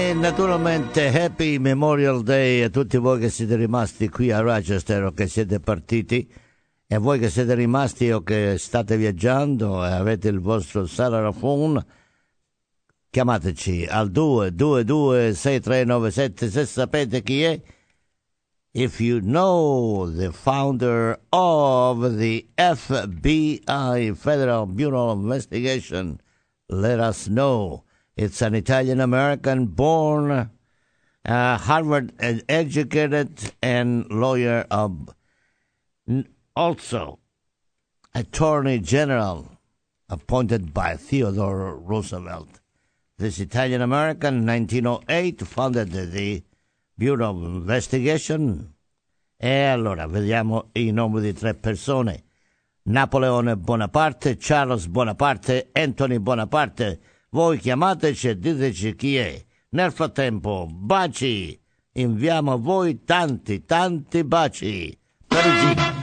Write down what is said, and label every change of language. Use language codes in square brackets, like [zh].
[it] Happy Memorial Day a tutti voi che siete rimasti qui a Rochester o che siete partiti, e voi che siete rimasti o che state viaggiando e avete il vostro cellular phone, chiamateci al 222-6397 se sapete chi è. [en] If you know the founder of the FBI, Federal Bureau of Investigation, let us know. It's an Italian-American born... Harvard educated and lawyer of, also attorney general appointed by Theodore Roosevelt. This Italian American, 1908, founded the Bureau of Investigation. [it] E allora vediamo i nomi di tre persone: Napoleone Bonaparte, Charles Bonaparte, Anthony Bonaparte. Voi chiamateci e diteci chi è. Nel frattempo, baci! Inviamo a voi tanti, tanti baci! Parigi!